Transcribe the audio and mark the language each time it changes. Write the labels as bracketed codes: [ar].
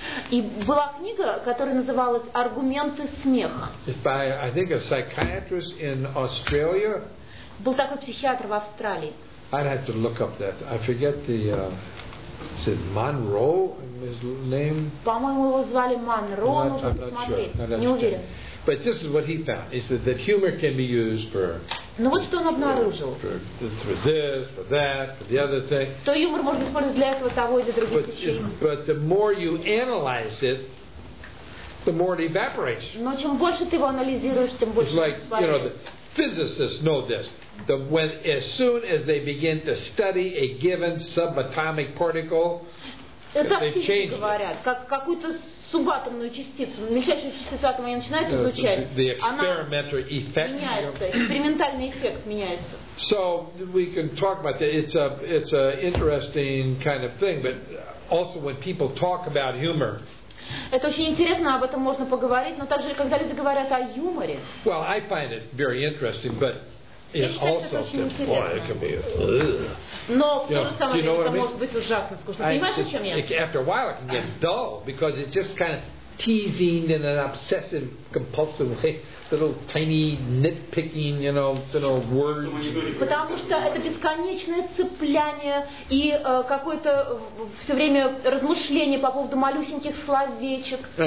[ru] И была книга, которая называлась «Аргументы смеха». [en] It's by, I think, a psychiatrist in Australia. [ru] Был такой психиатр в Австралии. [en] I'd have to look up that. I forget the. Is it Monroe? His name? [ru] По-моему, его звали Монро. [en] I'm not sure. [ru] Не уверен. [en] But this is what he found: is that humor can be used for. [ru] Ну вот что он обнаружил. [en] For this, for that, for the other thing. [ru] То юмор можно использовать для этого, того или другого причин. [en] But the more you analyze it, the more it evaporates. [ru] Но чем больше ты его анализируешь, тем больше. [en] It's like, you know, the physicists know this. When as soon as they begin to study a given subatomic particle, they've changed. [ru] Говорят, как какую-то субатомную частицу, мельчайшую частицу атома, они начинают изучать. [en] The experimental effect. [ru] Меняется. Экспериментальный эффект меняется. [en] So we can talk about that. It's a interesting kind of thing. But also when people talk about humor. [ru] Это очень интересно, об этом можно поговорить. Но также когда люди говорят о юморе. [en] Well, I find it very interesting, but. is also simple. It can be. [ru] Но в то же самое время это может быть ужасно скучно. Понимаешь, о чем я? [en] After a while, it can get dull because it just kind of teasing in an obsessive, compulsive way, little tiny nitpicking, you know, words. [ru] Потому что это бесконечное цепляние и какое-то все время размышление по поводу малюсеньких словечек.